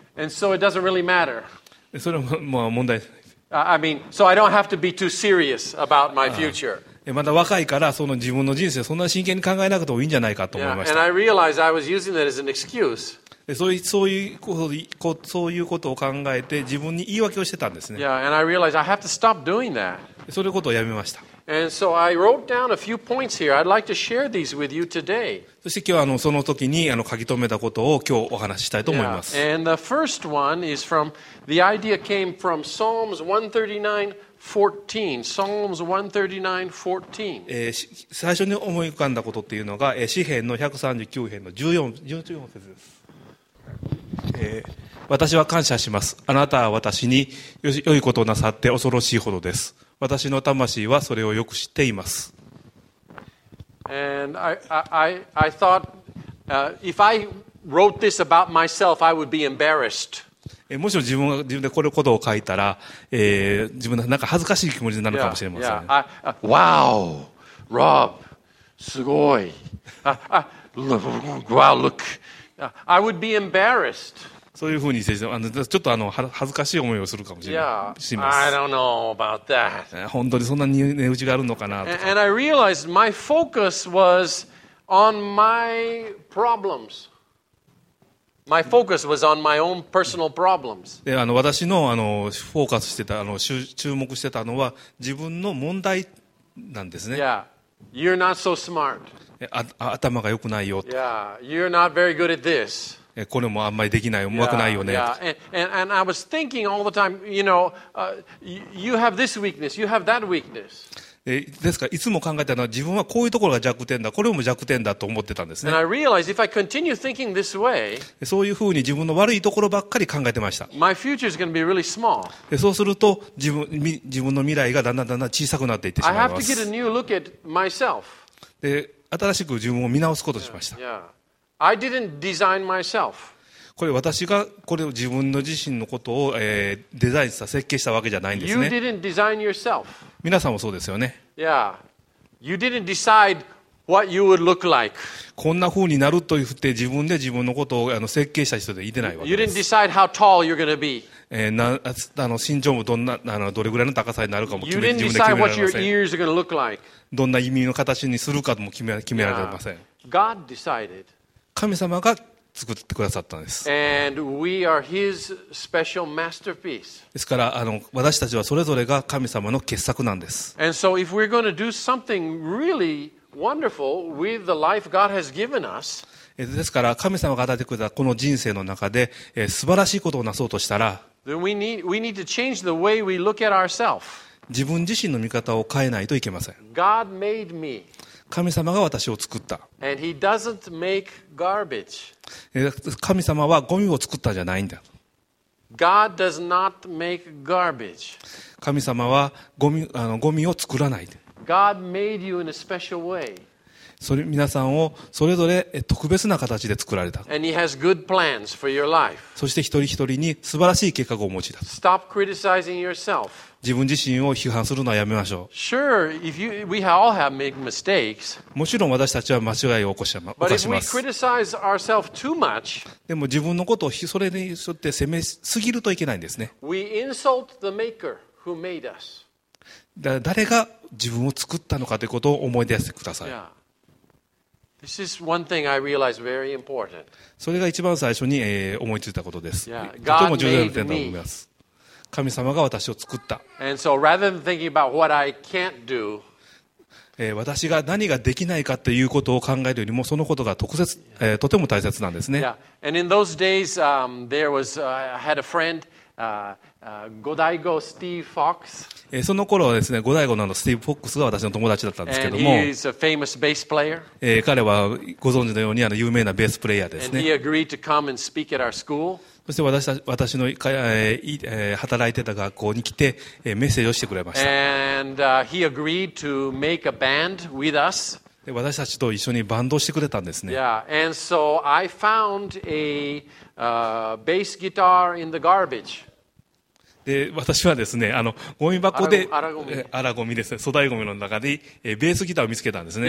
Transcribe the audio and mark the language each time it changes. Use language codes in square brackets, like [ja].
[en] And so it doesn't really matter. [ja] それはまあ問題。 [en] I mean, so I don't have to be too serious about my future. [ja] まだ若いからその自分の人生そんな真剣に考えなくてもいいんじゃないかと思いました。 [en] Yeah. And I realized I was using that as an excuse. [ja] そういうことを考えて自分に言い訳をしてたんですね。 [en] Yeah, and I realized I have to stop doing that. [ja] そういうことをやめました。 [en] And so I wrote down a few points here. I'd like to share these with you today. [ja] そして今日はその時に書き留めたことを今日お話ししたいと思います。 [en] Yeah, and the first one is from, the idea came from Psalms 139:14. Psalms 139:14. [ja] 最初に思い浮かんだことっていうのが、詩編の139編の14節です。私は感謝します。あなたは私に良いことをなさって恐ろしいほどです。私の魂はそれをよく知っています。 [en] And I thought, if I wrote this about myself, I would be embarrassed. [ja] もしも自分でこのことを書いたら、自分なんか恥ずかしい気持ちになるかもしれません。 [en] Yeah, yeah. Wow! Rob, [ja] すごい。 [en] Wow, look. I would be embarrassed. [ja] そういうふうにして、ちょっと恥ずかしい思いをするかもしれない。 [en] Yeah, I don't know about that. [ja] 本当にそんなに値打ちがあるのかなとか。 [en] And I realized my focus was on my problems. My focus was on my own personal problems. [ja] 私のフォーカスしてた注目してたのは自分の問題なんですね。 [en] Yeah. You're not so smart. [ja] 頭が良くないよと。 [en] Yeah. You're not very good at this. [ja] これもあんまりできない、上手くないよね。 [en] Yeah. And I was thinking all the time, you know, you have this weakness, you have that weakness. [ja] ですからいつも考えたのは自分はこういうところが弱点だ、これも弱点だと思ってたんですね。 [en] And I realized if I continue thinking this way, [ja] そういうふうに自分の悪いところばっかり考えてました。 [en] My future is going to be really small. [ja] そうすると自分の未来がだんだんだんだん小さくなっていってしまいます。 [en] I have to get a new look at myself. [ja] で新しく自分を見直すことをしました。 [en] Yeah, yeah. I didn't design myself. [ja] これ私がこれを自分の自身のことをデザインした設計したわけじゃないんですね。 [en] You didn't design yourself. [ja] 皆さんもそうですよね。 [en] Yeah. You didn't decide what you would look like. [ja] こんな風になると言って自分で自分のことを設計した人でいてないわけです。 [en] You didn't decide how tall you're going to be. [ja] 身長もどれぐらいの高さになるかも自分で決められません。 [en] You didn't decide what your ears are going to look like. [ja] どんな耳の形にするかも決められません。 [en] Yeah. God decided. [ja] 神様が作ってくださったんです。 [en] And we are his special masterpiece. [ja] ですから私たちはそれぞれが神様の傑作なんです。 [en] And so if we're going to do something really wonderful with the life God has given us, [ja] ですから神様が与えてくれたこの人生の中で素晴らしいことをなそうとしたら、 [en] Then we need to change the way we look at ourselves. [ja] 自分自身の見方を変えないといけません。 [en] God made me. [ja] 神様が私を作った。 [en] And he doesn't make garbage. [ja] 神様はゴミを作ったじゃないんだ。 [en] God does not make garbage. [ja] 神様はゴミを作らない。 [en] God made you in a special way. [ja] それ皆さんをそれぞれ特別な形で作られた。 [en] And he has good plans for your life. [ja] そして一人一人に素晴らしい計画をお持ちだ。 [en] Stop criticizing yourself. [ja] 自分自身を批判するのはやめましょう。 [en] Sure, if you, we all have made mistakes, [ja] もちろん私たちは間違いを犯します。 [en] But if we criticize ourselves too much, [ja] でも自分のことをそれによって責めすぎるといけないんですね。 [en] We insult the maker who made us. [ja] 誰が自分を作ったのかということを思い出してください。 [en] Yeah. This is one thing I realized very important. [ja] それが一番最初に思いついたことです。 [en] Yeah. [ja] とても重要な点だと思います。神様が私を作った。 [en] And so rather than thinking about what I can't do, [ja] 私が何ができないかということを考えるよりもそのことが特別、とても大切なんですね。 [en] Yeah. And in those days, there was, I had a friend, Godaigo Steve Fox. [ja] その頃はですね、ゴダイゴのスティーブ・フォックスが私の友達だったんですけども。 [en] And he is a famous bass player. [ja] 彼はご存知のように有名なベースプレイヤーですね。 [en] And he agreed to come and speak at our school. [ja] そして私の働いてた学校に来てメッセージをしてくれました。 [en] And, he agreed to make a band with us. [ja] 私たちと一緒にバンドをしてくれたんですね。 [en] Yeah. And so I found a, bass guitar in the garbage. [ja] で私はですね、ゴミ箱で、アラゴミですね、粗大ゴミの中で、ベースギターを見つけたんですね。